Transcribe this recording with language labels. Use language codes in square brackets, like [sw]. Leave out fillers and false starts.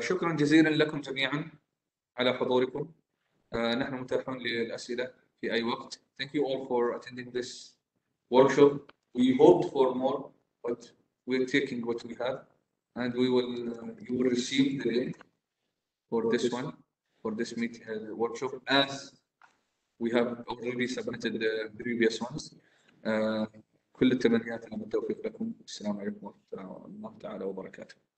[ar] شكرا جزيلا لكم جميعا على حضوركم. نحن متاحون للأسئلة. في أي وقت. [en] Thank you all for attending this workshop. We hoped for more, but we're taking what we have, and we will you will receive the link for this one, for this meeting workshop, as we have already submitted the previous ones. [ar] كل التمنيات لكم التوفيق لكم. السلام عليكم ورحمة الله وبركاته.